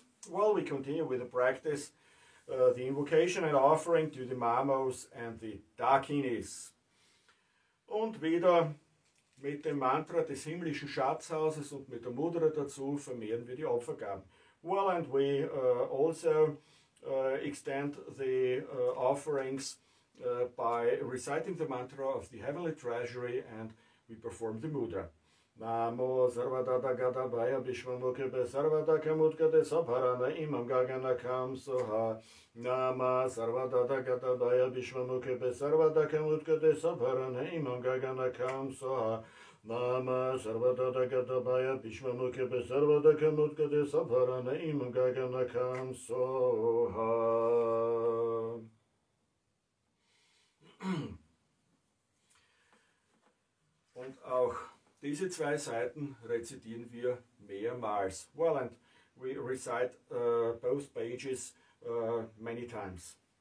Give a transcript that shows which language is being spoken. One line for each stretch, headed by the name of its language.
English: Well, we continue with the practice, the invocation and offering to the Mamos and the Dakinis.
German: Und wieder mit dem Mantra des himmlischen Schatzhauses und mit der Mudra dazu vermehren wir die Opfergaben.
English: Well, and we also extend the offerings by reciting the mantra of the heavenly treasury, and we perform the Mudra.
Sanskrit: Namo sarvadatta gatabhaya vishvamukhebe sarvadakamutkate sabharana imam gaganakam soha. Namo sarvadatta gatabhaya vishvamukhebe sarvadakamutkate sabharana imam gaganakam soha. Namo sarvadatta gatabhaya vishvamukhebe sarvadakamutkate sabharana imam gaganakam soha.
German: Und auch diese zwei Seiten rezitieren wir mehrmals.
English: Well, and we recite both pages many times.